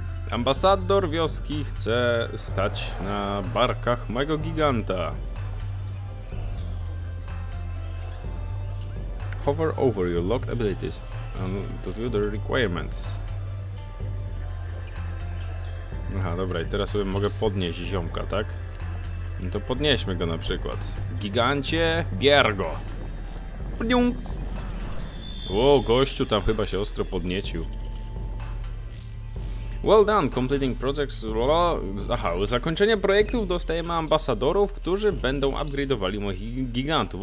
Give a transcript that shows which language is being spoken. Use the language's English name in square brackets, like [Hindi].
[Polish] Ambasador wioski chce stać na barkach mojego giganta. [English] Hover over your locked abilities and to view the requirements. [Polish] Aha, dobra, i teraz sobie mogę podnieść ziomka, tak? No to podnieśmy go na przykład. Gigancie, bier go! Pniunc! O, gościu tam chyba się ostro podniecił. [English] Well done, completing projects... [Polish] Aha, zakończenie projektów dostajemy ambasadorów, którzy będą upgrade'owali moich gigantów.